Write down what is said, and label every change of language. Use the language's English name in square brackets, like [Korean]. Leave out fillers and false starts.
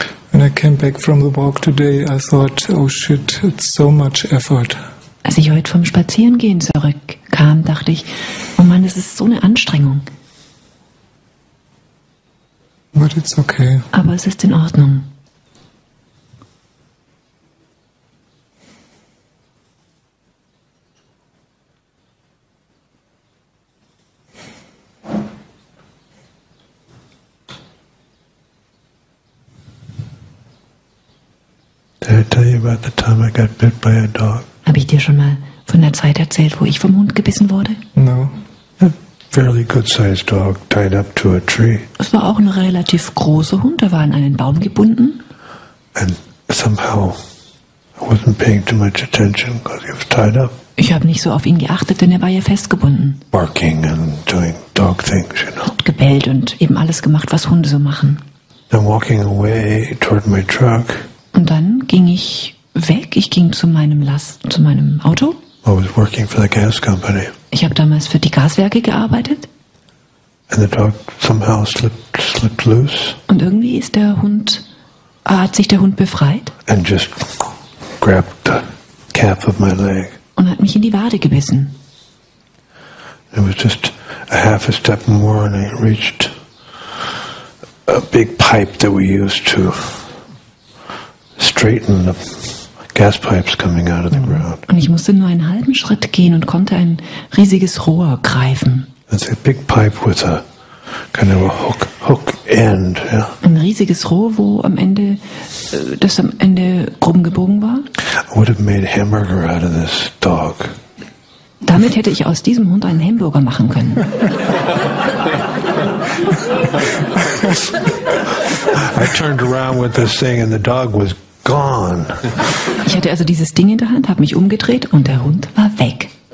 [English] When I came back from the walk today, I thought, oh shit, it's so much effort. [German] Als ich heute vom Spazierengehen zurückkam, dachte ich, oh Mann, das ist so eine Anstrengung. [English] But it's okay. [German] Aber es ist in Ordnung. [English] Did I tell you about the time I got bit by a dog? [German] Habe ich dir schon mal von der Zeit erzählt, wo ich vom Hund gebissen wurde? [English] No. A fairly good-sized dog tied up to a tree. [German] Es war auch ein relativ großer Hund, der war an einen Baum gebunden. [English] And somehow I wasn't paying too much attention because he was tied up. [German] Ich habe nicht so auf ihn geachtet, denn er war ja festgebunden. [English] Barking and doing dog things, you know. [German] Hat gebellt und eben alles gemacht, was Hunde so machen. [English] Then walking away toward my truck. [German] Und dann ging ich weg. Ich ging zu meinem Auto. [English] I was working for the gas company. [German] Ich habe damals für die Gaswerke gearbeitet. [English] And the dog somehow slipped loose. [German] Und irgendwie ist der Hund, hat sich der Hund befreit. [English] And just grabbed the calf of my leg. [German] Und hat mich in die Wade gebissen. [English] It was just a half a step more and I reached a big pipe that we used to straighten the gas pipes coming out of the ground. [German] Und ich musste nur einen halben Schritt gehen und konnte ein riesiges Rohr greifen. [English] It's a big pipe with a kind of a hook end, yeah. [German] Ein riesiges Rohr, wo am Ende das am Ende krumm gebogen war. [English] I would have made a hamburger out of this dog. [German] Damit hätte ich aus diesem Hund einen Hamburger machen können. [English] I turned around with this thing and the dog was gone. [German] Ich hatte also dieses Ding in der Hand, habe mich umgedreht und der Hund war weg.